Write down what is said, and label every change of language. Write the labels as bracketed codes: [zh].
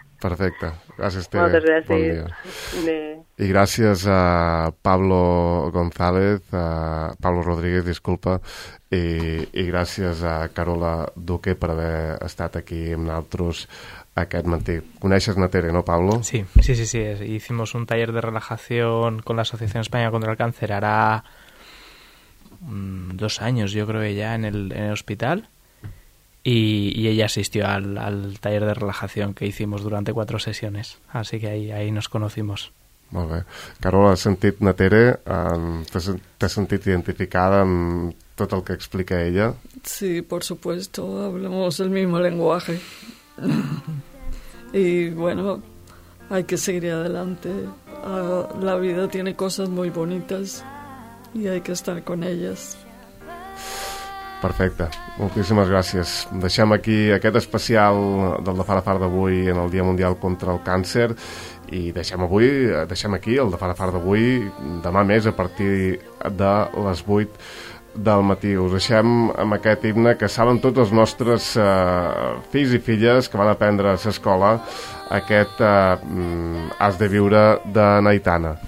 [ca] Perfecte. Gràcies, Tere. Moltes gràcies. Bon dia. I gràcies a Pablo González, a Pablo Rodríguez, disculpa, i gràcies a Carola Duque per haver estat aquí amb nosaltres aquest matí. Coneixes la Tere, no, Pablo? Sí. [es] Hicimos un taller de relajación con la Asociación España contra el Cáncer hará 2 años, yo creo, ya en el hospital. Y ella asistió al taller de relajación que hicimos durante 4 sesiones. Así que ahí nos conocimos. [ca] Molt bé. Carola, has sentit la Tere? T'has sentit identificada amb tot el que explica ella? [es] Sí, por supuesto. Hablamos el mismo lenguaje. Y bueno, hay que seguir adelante. La vida tiene cosas muy bonitas y hay que estar con ellas. [ca] Perfecte, moltíssimes gràcies. Deixem aquí aquest especial del de far a far d'avui en el Dia Mundial contra el Càncer i deixem aquí el de far a far d'avui, demà més a partir de les 8 del matí. Us deixem amb aquest himne que saben tots els nostres fills i filles que van aprendre a l'escola, aquest Has de viure de Naitana.